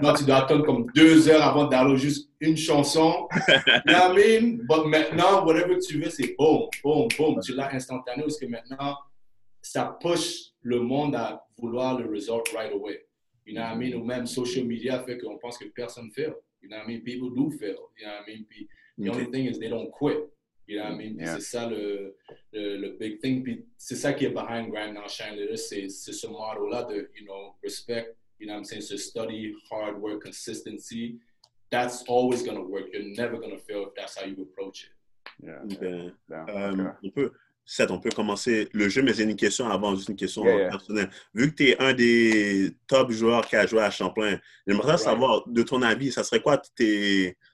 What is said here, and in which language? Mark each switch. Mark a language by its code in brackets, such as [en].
[fr] Non, tu dois attendre comme 2 heures avant de download juste une chanson. [en] You know what I mean? But [fr] maintenant, [en] whatever [fr] tu veux, c'est boom, boom, boom. Tu l'as instantané, parce que maintenant, ça push le monde à vouloir le [en] result right away. You know what I mean? [fr] Ou même [en] social media [fr] fait qu'on pense que personne fait. [en] You know what I mean? People do fail. You know what I mean? Puis, the only thing is they don't quit. You know what I mean? Yeah. [fr] C'est ça le [en] big thing. [fr] C'est ça qui est behind Grind Now Shine Later. C'est ce motto-là de, [en] you know, [fr] respect. [en] You know what I'm saying? So study, hard work, consistency. That's always going to work. You're never going to fail if that's how you approach it. Yeah. [fr] On peut, Seth, on peut commencer le jeu, mais j'ai une question avant, juste une question personnelle. Vu que tu es un des top joueurs qui a joué à Champlain, j'aimerais savoir, de ton avis, ça serait quoi tes...